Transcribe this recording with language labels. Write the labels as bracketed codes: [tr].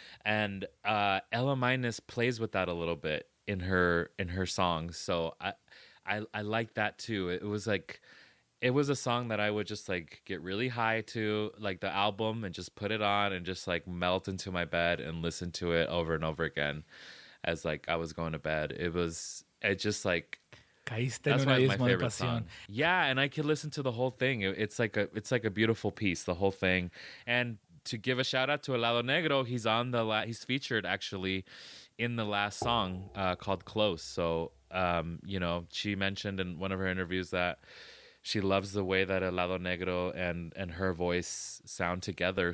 [en] And Ella Maynez plays with that a little bit in her songs. So I like that too. It was a song that I would just like get really high to, like the album, and just put it on and just like melt into my bed and listen to it over and over again as like I was going to bed. It just [es] caíste en una misma pasión. [en] Yeah, and I could listen to the whole thing. It's like a beautiful piece, the whole thing. And to give a shout out to El Lado Negro, he's featured actually in the last song called Close. So, you know, she mentioned in one of her interviews that she loves the way that El Lado Negro and her voice sound together.